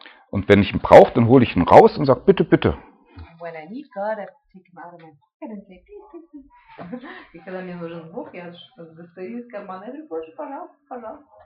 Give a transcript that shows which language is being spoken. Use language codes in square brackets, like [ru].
[de] Und wenn ich ihn brauche, dann hole ich ihn raus und sage, bitte, bitte. [en] When I need God, I take him out of my pocket and say, [ru] и когда мне нужен Бог, я достаю из кармана и говорю, Боже, пожалуйста,